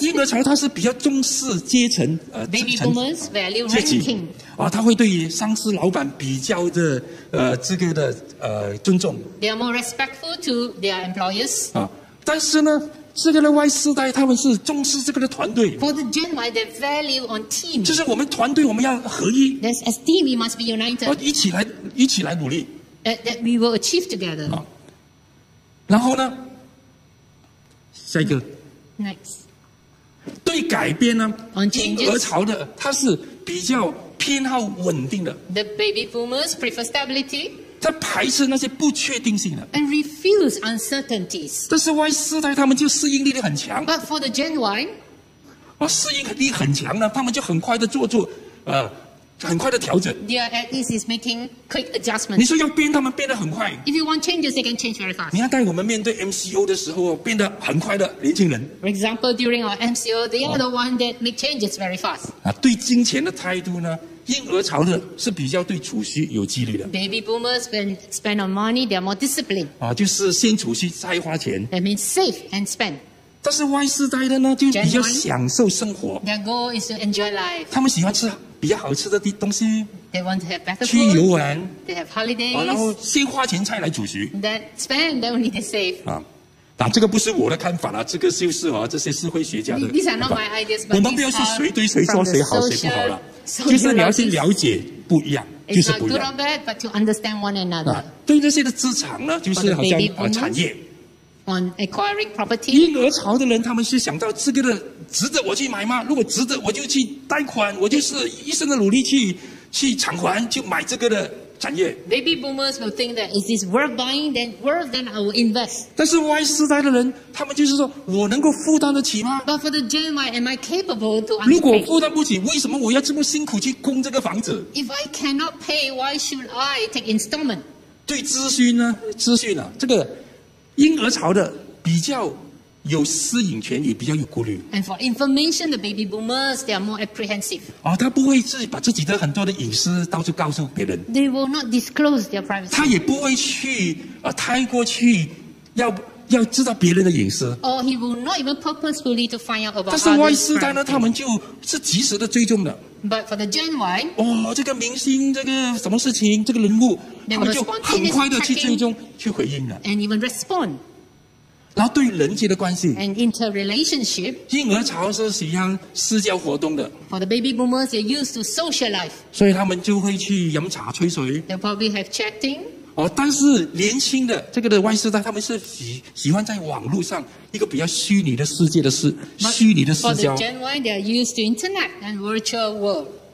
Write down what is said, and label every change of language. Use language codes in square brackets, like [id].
[zh] 婴儿潮他是比较重视阶层 [en] baby boomers value ranking [zh] 啊，他会对于上司老板比较的这个的尊重。 [en] They are more respectful to their employers [zh] 啊，但是呢，这个的 Y 世代他们是重视这个的团队。 [en] For the Gen Y, they value on team. [zh] 就是我们团队我们要合一。 [en] That's as team, we must be united. [zh] 一起来努力。 [en] That we will achieve together. [zh] 啊，然后呢？下一个 [en] ，next， [zh] 对改变呢？ [en] On changes, [zh] 婴儿潮的他是比较偏好稳定的。 [en] The baby boomers prefer stability. [zh] 他排斥那些不确定性的。 [en] And refuse uncertainties. [zh] 但是 Y 世代他们就适应力很强。 [en] But for the Gen Y， [zh] 啊，适应力很强呢，他们就很快的做出，很快的调整。 [en] They are at ease is making quick adjustments. [zh] 你说要变他们变得很快。 [en] If you want changes, they can change very fast. [zh] 你要带我们面对 MCO 的时候，变得很快的年轻人。 [en] For example, during our MCO, they are the one that make changes very fast. [zh] 啊，对金钱的态度呢？婴儿潮的是比较对储蓄有纪律的。 [en] Baby boomers when spend on money, they are more disciplined. [zh] 啊，就是先储蓄再花钱。 [en] That means save and spend. [zh] 但是 Y 世代的呢，就比较享受生活。 [en] Their goal is to enjoy life. [zh] 他们喜欢吃比较好吃的东西。 [en] They want to have better food. [zh] 去游玩。 [en] They have holidays. [zh] 啊，然后先花钱再来储蓄。 [en] Then spend, then we need to save. [zh] 啊。但这个不是我的看法啦，这个就是啊，这些社会学家的。 [en] These are not my ideas, but [zh] 我们不要去谁对谁错，谁好谁不好了。就是你要去了解不一样，就是不一样。 [en] It's not good or bad, but to understand one another. [zh] 对那些的资产呢，就是好像产业。 [en] On acquiring property. [zh] 婴儿潮的人，他们是想到这个的值得我去买吗？如果值得，我就去贷款，我就是一生的努力去偿还，就买这个的。 [en] Baby boomers will think that if it's worth buying, then worth, then I will invest. [zh] 但是 Y 世代的人，他们就是说我能够负担得起吗？ [en] But for the Gen Y, am I capable to undertake? [zh] 如果负担不起，为什么我要这么辛苦去供这个房子？ [en] If I cannot pay, why should I take installment? [zh] 对资讯呢，这个婴儿潮的比较有私隐权，也比较有顾虑。 [en] And for information, the baby boomers, they are more apprehensive. [zh] 哦，他不会自己把自己的很多的隐私到处告诉别人。 [en] They will not disclose their privacy. [zh] 他也不会去太过去要知道别人的隐私。 [en] Or he will not even purposefully to find out about. [zh] 但是 Y 世代呢，他们就是及时的追踪的。 [en] But for the Gen Y, [zh] 哦，这个明星，这个什么事情，这个人物，他们就很快的去追踪去回应了。 [en] And even respond. [zh] 然后对人际的关系 [en] ，and interrelationship， [zh] 婴儿潮是喜欢社交活动的。 [en] For the baby boomers, they're used to social life. [zh] 所以他们就会去饮茶吹水。 [en] They probably have chatting. [zh] 哦，但是年轻的这个的 Y 世代，他们是喜欢在网络上一个比较虚拟的世界的是虚拟的社交。 [en] For the Gen Y, they're used to internet and virtual world.